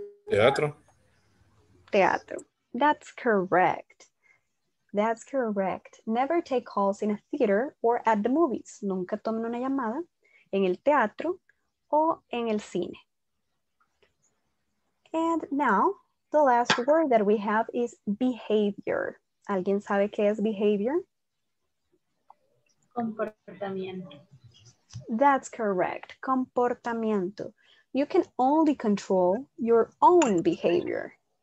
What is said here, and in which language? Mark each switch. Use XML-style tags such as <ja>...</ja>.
<es>Teatro.</es> <en>Teatro. That's correct. That's correct. Never take calls in a theater or at the movies.</en> <es>Nunca tomen una llamada en el teatro o en el cine.</es> <en>And now, the last word that we have is behavior.</en> <es>¿Alguien sabe qué es behavior? Comportamiento.</es> <en>That's correct. Comportamiento. You can only control your own behavior.</en>